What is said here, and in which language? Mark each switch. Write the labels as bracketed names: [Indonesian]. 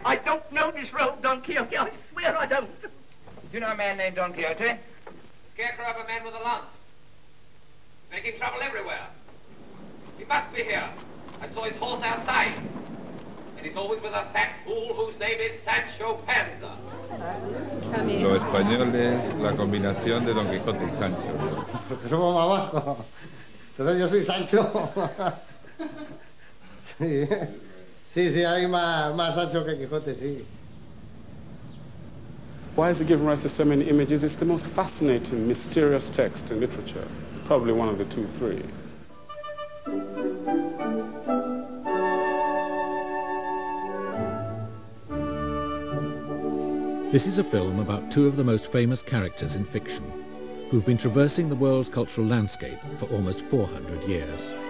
[English] I don't know this rogue Don Quixote. I swear I don't. Do you know a man named Don Quixote? Scarecrow of a man with a lance. Making trouble everywhere. He must be here. I saw his horse outside. And he's always with a fat fool whose name is Sancho Panza. [Spanish] Lo español es la combinación de Don Quixote y Sancho. Somos más bajos. Entonces yo soy Sancho. Sí. Sí, sí, hay más Sancho que Quixote, sí. [English] Why has it given rise to so many images? It's the most fascinating, mysterious text in literature. Probably one of the two, three. This is a film about two of the most famous characters in fiction, who've been traversing the world's cultural landscape for almost 400 years.